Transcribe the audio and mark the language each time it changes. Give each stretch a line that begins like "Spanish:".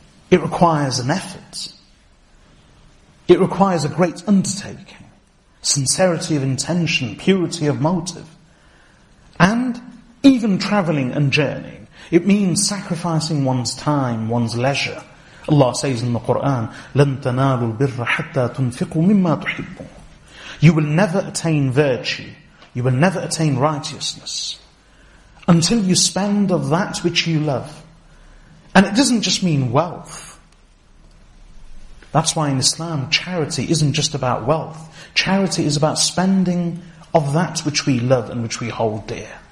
English: It requires an effort. It requires a great undertaking, sincerity of intention, purity of motive, and even travelling and journeying. It means sacrificing one's time, one's leisure. Allah says in the Quran,
Arabic: لَن تَنَالُوا الْبِرَّ حَتَّى تُنْفِقُوا مِمَّا تُحِبُّ.
English: You will never attain virtue. You will never attain righteousness until you spend of that which you love. And it doesn't just mean wealth. That's why in Islam, charity isn't just about wealth. Charity is about spending of that which we love and which we hold dear.